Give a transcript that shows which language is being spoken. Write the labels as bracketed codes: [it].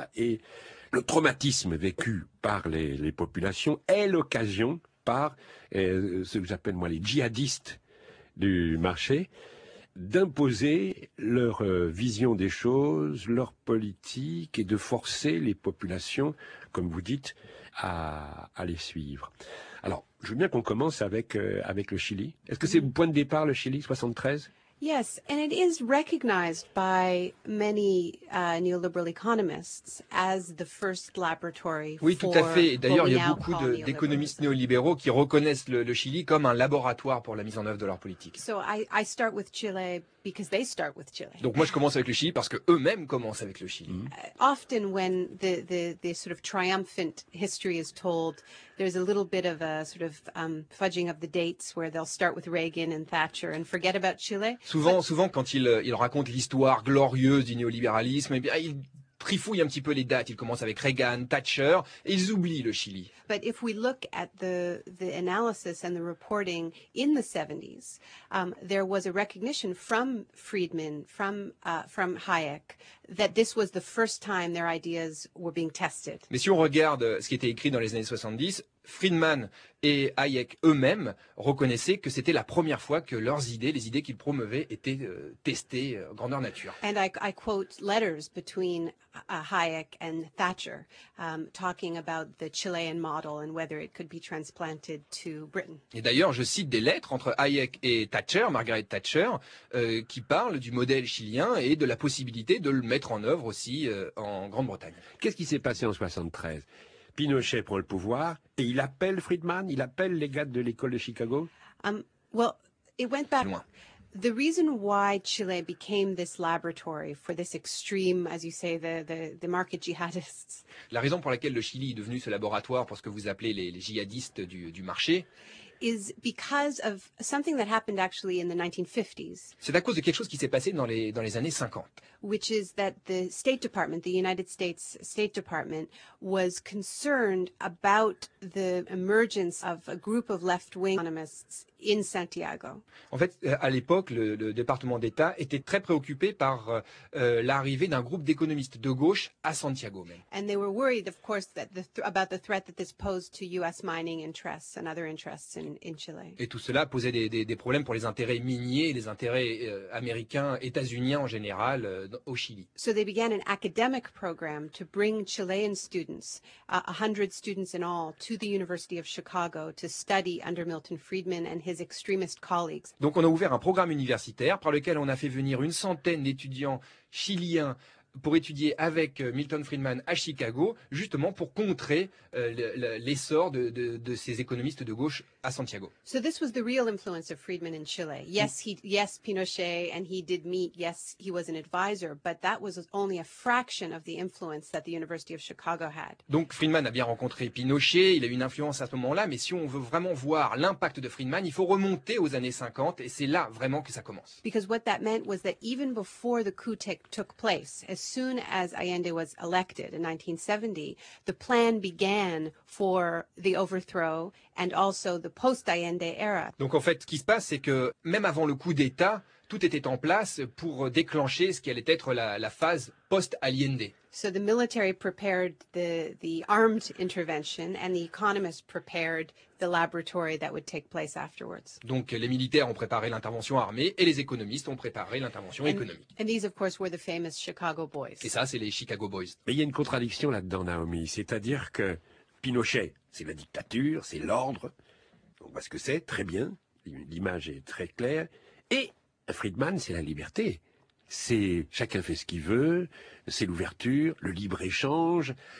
[fr] Et le traumatisme vécu par les populations est l'occasion par ce que j'appelle moi les djihadistes du marché d'imposer leur vision des choses, leur politique et de forcer les populations, comme vous dites, à les suivre. Alors, je veux bien qu'on commence avec le Chili. Est-ce que c'est le point de départ le Chili, 73? [en] Yes, and it is recognized by many neoliberal economists as the first laboratory. [fr] Oui, tout à fait. D'ailleurs, il y a beaucoup d'économistes néolibéraux qui reconnaissent le Chili comme un laboratoire pour la mise en œuvre de leur politique. [en] So I start with Chile because they start with Chile. [fr] Donc moi, je commence avec le Chili parce que eux-mêmes commencent avec le Chili. [en] Often, when the sort of triumphant history is told, there's a little bit of a sort of fudging of the dates where they'll start with Reagan and Thatcher and forget about Chile. [fr] Souvent, quand ils racontent l'histoire glorieuse du néolibéralisme, eh bien, ils trifouillent un petit peu les dates. Ils commencent avec Reagan, Thatcher, et ils oublient le Chili. [en] But if we look at the analysis and the reporting in the 70s, there was a recognition from Friedman, from Hayek, that this was the first time their ideas were being tested. [fr] Mais si on regarde ce qui était écrit dans les années 70, Friedman et Hayek eux-mêmes reconnaissaient que c'était la première fois que leurs idées, les idées qu'ils promeuvaient, étaient testées grandeur nature. [en] And I quote letters between Hayek and Thatcher, talking about the Chilean model and whether it could be transplanted to Britain. [fr] Et d'ailleurs, je cite des lettres entre Hayek et Thatcher, Margaret Thatcher, qui parlent du modèle chilien et de la possibilité de le mettre en œuvre aussi en Grande-Bretagne. Qu'est-ce qui s'est passé en 73? Pinochet prend le pouvoir et il appelle Friedman, il appelle les gars de l'école de Chicago. [en] Well, it went back. The reason why Chile became this laboratory for this extreme, as you say, the market jihadists. [fr] La raison pour laquelle le Chili est devenu ce laboratoire pour ce que vous appelez les jihadistes du marché. [en] Is because of something that happened actually in the 1950s. [fr] C'est à cause de quelque chose qui s'est passé dans les années 50. [en] Which is that the State Department, the United States State Department, was concerned about the emergence of a group of left-wing economists in Santiago. [fr] En fait, à l'époque, le département d'État était très préoccupé par l'arrivée d'un groupe d'économistes de gauche à Santiago même. [en] And they were worried, of course, that about the threat that this posed to U.S. mining interests and other interests in Chile. [fr] Et tout cela posait des problèmes pour les intérêts miniers, les intérêts américains, états-uniens en général, au Chili. [en] So they began an academic program to bring Chilean students, 100 students in all, to the University of Chicago to study under Milton Friedman and his extremist colleagues. [fr] Donc on a ouvert un programme universitaire par lequel on a fait venir une centaine d'étudiants chiliens pour étudier avec Milton Friedman à Chicago, justement pour contrer l'essor de ces économistes de gauche à Santiago. [en] So this was the real influence of Friedman in Chile. Yes, yes, Pinochet, and he did meet. Yes, he was an advisor, but that was only a fraction of the influence that the University of Chicago had. [fr] Donc Friedman a bien rencontré Pinochet, il a eu une influence à ce moment-là, mais si on veut vraiment voir l'impact de Friedman, il faut remonter aux années 50, et c'est là vraiment que ça commence. [en] Because what that meant was that even before the coup took place, as soon as Allende was elected in 1970, the plan began for the overthrow and also the post-Allende era. [fr] Donc en fait, ce qui se passe, c'est que même avant le coup d'État, tout était en place pour déclencher ce qui allait être la phase post-Allende. [en] So the military prepared the armed intervention and the economists prepared the laboratory that would take place afterwards. [fr] Donc les militaires ont préparé l'intervention armée et les économistes ont préparé l'intervention économique. [en] And these of course were the famous Chicago Boys. [fr] Et ça c'est les Chicago Boys. Mais il y a une contradiction là-dedans, Naomi, c'est-à-dire que Pinochet, c'est la dictature, c'est l'ordre. On voit ce que c'est, très bien, l'image est très claire. Et Friedman, c'est la liberté. C'est chacun fait ce qu'il veut, c'est l'ouverture, le libre-échange.